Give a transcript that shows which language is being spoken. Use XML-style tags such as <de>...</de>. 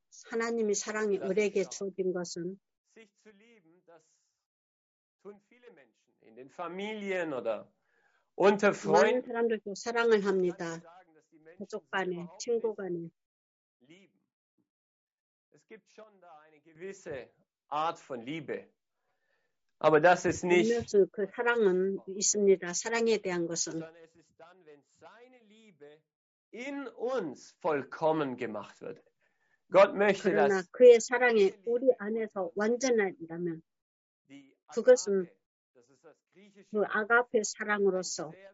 <ko>하나님이 사랑이 우리에게 주어진 것은</ko> <de>sich zu lieben, das tun viele Menschen in den Familien oder unter Freunden.</de> <ko>많은 사람들도 사랑을 합니다. 가족 간에, 친구 간에.</ko> <de>Es gibt schon da eine gewisse Art von Liebe. Aber das ist nicht.</de> <ko>그 사랑은 있습니다. 사랑에 대한 것은.</ko> <de>Es ist dann, wenn seine Liebe in uns vollkommen gemacht wird. Gott möchte das.</de> <ko>그러나 그의 사랑이 우리 안에서 완전한다면, 그것은 그 아가페 사랑으로서.</ko>